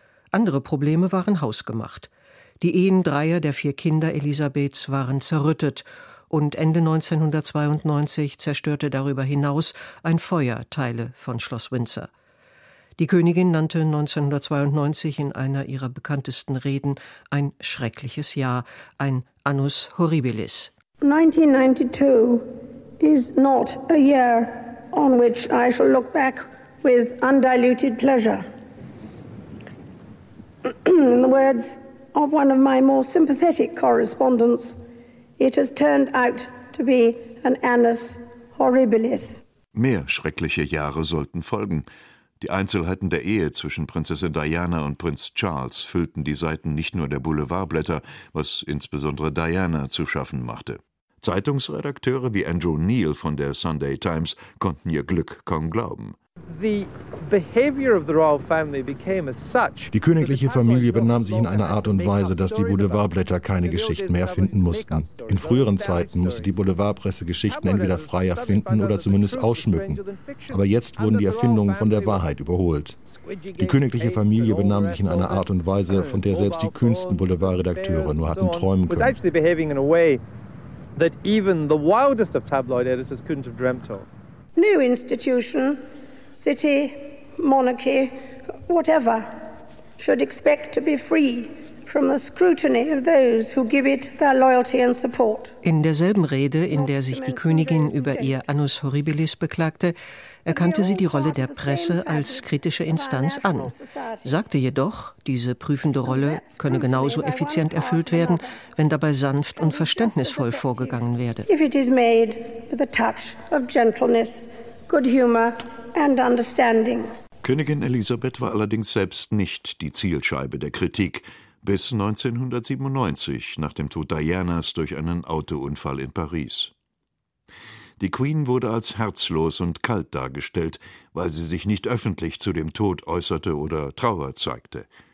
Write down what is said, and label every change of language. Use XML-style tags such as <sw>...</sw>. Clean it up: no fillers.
<de>Andere Probleme waren hausgemacht. Die Ehen 3 der 4 Kinder Elisabeths waren zerrüttet und Ende 1992 zerstörte darüber hinaus ein Feuer Teile von Schloss Windsor. Die Königin nannte 1992 in einer ihrer bekanntesten Reden ein schreckliches Jahr, ein Annus Horribilis.</de> <en>1992 is not a year on which I shall look back with undiluted pleasure. In the words of one of my more sympathetic correspondents, it has turned out to be an annus horribilis.</en> <de>Mehr schreckliche Jahre sollten folgen. Die Einzelheiten der Ehe zwischen Prinzessin Diana und Prinz Charles füllten die Seiten nicht nur der Boulevardblätter, was insbesondere Diana zu schaffen machte. Zeitungsredakteure wie Andrew Neil von der Sunday Times konnten ihr Glück kaum glauben.</de> <en>the behavior of the royal family became as such.</en> <de>Die königliche Familie benahm sich in einer Art und Weise, dass die Boulevardblätter keine Geschichten mehr erfinden mussten. In früheren Zeiten musste die Boulevardpresse Geschichten entweder frei erfinden oder zumindest ausschmücken. Aber jetzt wurden die Erfindungen von der Wahrheit überholt. Die königliche Familie benahm sich in einer Art und Weise, von der selbst die kühnsten Boulevardredakteure nur hatten träumen können.</de> <en>That even the wildest of tabloid editors couldn't have dreamt of. New institution, city, monarchy, whatever, should expect to be free from the scrutiny of those who give it their loyalty and support.</en> <de>In derselben Rede, in der sich die Königin über ihr Annus Horribilis beklagte, erkannte sie die Rolle der Presse als kritische Instanz an, sagte jedoch, diese prüfende Rolle könne genauso effizient erfüllt werden, wenn dabei sanft und verständnisvoll vorgegangen werde.</de> <en>If it is made with a touch of gentleness, good humor and understanding.</en> <de>Königin Elisabeth war allerdings selbst nicht die Zielscheibe der Kritik, bis 1997 nach dem Tod Dianas durch einen Autounfall in Paris. Die Queen wurde als herzlos und kalt dargestellt, weil sie sich nicht öffentlich zu dem Tod äußerte oder Trauer zeigte.</de>